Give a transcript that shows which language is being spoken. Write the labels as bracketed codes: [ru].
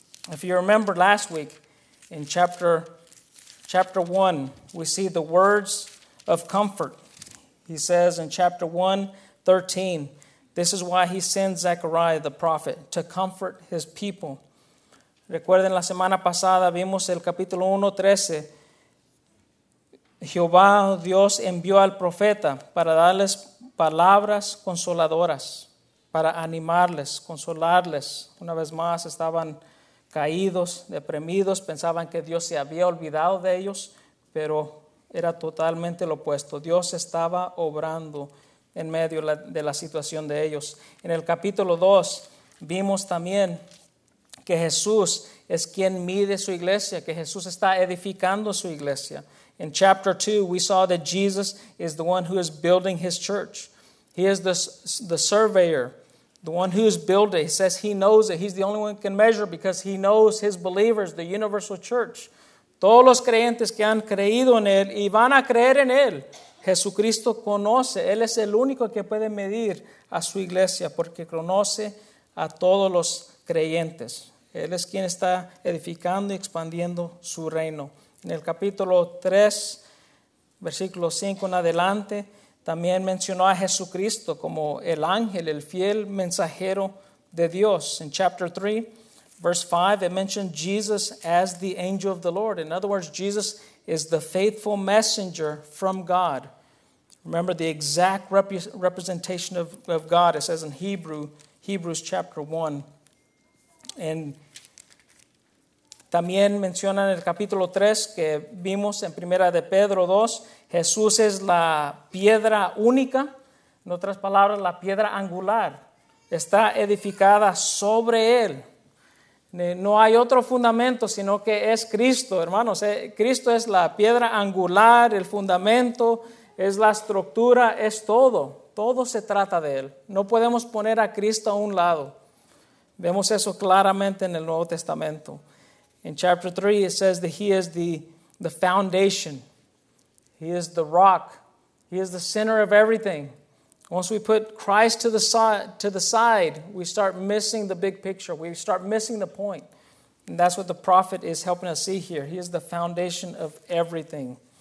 [en] If you remember last week in chapter 1, we see the words of comfort. He says in chapter 1, 13, this is why he sends Zechariah the prophet, to comfort his people. [es] Recuerden, la semana pasada vimos el capítulo 1, 13. Jehová Dios envió al profeta para darles palabras consoladoras, para animarles, consolarles. Una vez más estaban caídos, deprimidos, pensaban que Dios se había olvidado de ellos, pero era totalmente lo opuesto. Dios estaba obrando en medio de la situación de ellos. En el capítulo 2 vimos también que Jesús es quien mide su iglesia, que Jesús está edificando su iglesia. [en] In chapter 2, we saw that Jesus is the one who is building his church. He is the surveyor, the one who is building. He says he knows it. He's the only one who can measure because he knows his believers, the universal church. [es] Todos los creyentes que han creído en él y van a creer en él. Jesucristo conoce. Él es el único que puede medir a su iglesia porque conoce a todos los creyentes. Él es quien está edificando y expandiendo su reino. En el capítulo 3, versículo 5 en adelante, también mencionó a Jesucristo como el ángel, el fiel mensajero de Dios. En [en] chapter 3, verse 5, it mentioned Jesus as the angel of the Lord. In other words, Jesus is the faithful messenger from God. Remember the exact representation of God. It says in Hebrews chapter 1. And [es] también menciona en el capítulo 3 que vimos en primera de Pedro 2, Jesús es la piedra única, en otras palabras, la piedra angular. Está edificada sobre él. No hay otro fundamento, sino que es Cristo, hermanos. Cristo es la piedra angular, el fundamento, es la estructura, es todo. Todo se trata de él. No podemos poner a Cristo a un lado. Vemos eso claramente en el Nuevo Testamento. [en] In chapter 3, it says that he is the foundation. He is the rock. He is the center of everything. Once we put Christ to the side, we start missing the big picture. We start missing the point. And that's what the prophet is helping us see here. He is the foundation of everything.